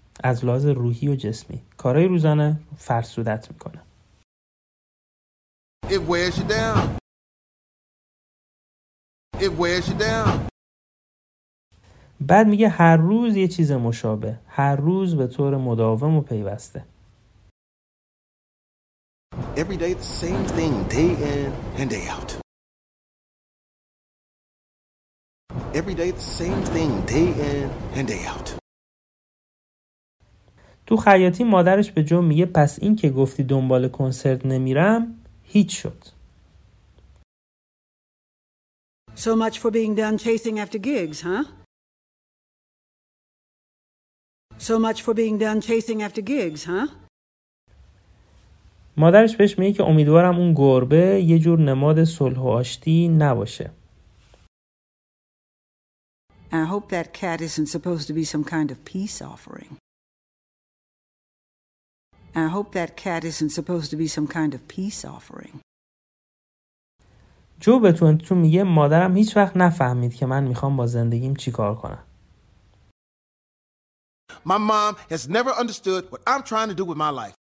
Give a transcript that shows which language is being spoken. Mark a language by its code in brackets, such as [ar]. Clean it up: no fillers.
[fa] از لحاظ روحی و جسمی کارهای روزانه فرسودت میکنه. [en] It wears you down. [fa] بعد میگه هر روز یه چیز مشابه، هر روز به طور مداوم و پیوسته. [en] Every day the same thing, day in and day out. Every day the same thing, day in and day out. [fa] تو خیاطی مادرش به جو میگه پس این که گفتی دنبال کنسرت نمیرم هیچ شد. [en] So much for being done chasing after gigs, huh? So much for being done chasing after gigs, huh? [fa] مادرش بهش میگه که امیدوارم اون گربه یه جور نماد صلح و آشتی نباشه. [en] I hope that cat isn't supposed to be some kind of peace offering. I hope that cat isn't supposed to be some kind of peace offering. [fa] جو به 22 میگه مادرم هیچ وقت نفهمید که من میخوام با زندگیم چیکار کنم. [en] My mom has never understood what I'm trying to do with my life.